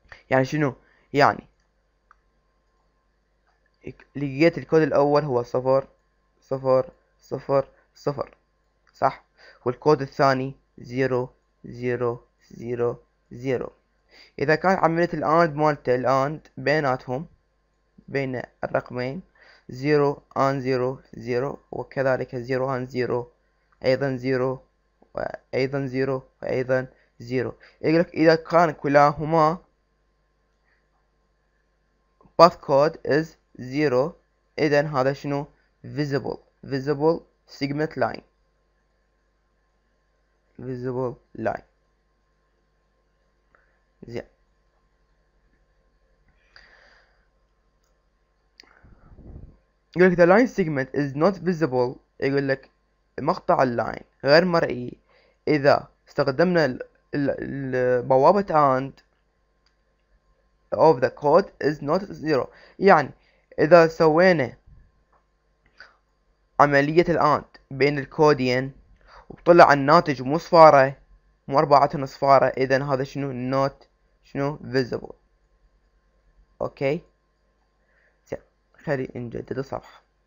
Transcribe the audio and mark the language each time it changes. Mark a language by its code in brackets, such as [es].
[ar] يعني شنو؟ يعني لقيت الكود الاول هو صفر صفر صفر صفر، صح؟ والكود الثاني زيرو زيرو زيرو زيرو. اذا كانت عملية الاند مالته، الاند بيناتهم، بين الرقمين زيرو ان زيرو زيرو، وكذلك زيرو ان زيرو ايضا زيرو، وايضا زيرو وايضا زيرو. يقول لك اذا كان كلاهما [en] path code is zero، [ar] اذا هذا شنو؟ [en] visible، visible segment line، visible line. [ar] زين. يقول لك [en] the line segment is not visible، [ar] يقول لك مقطع اللاين غير مرئي إذا استخدمنا البوابة [en] AND of the code is not zero. [ar] يعني إذا سوينا عملية الآند بين الكودين وطلع الناتج مو صفارة مو أربعة أصفارة، إذا هذا شنو؟ [en] not [ar] شنو؟ visible. أوكي خلي نجدد الصفحة.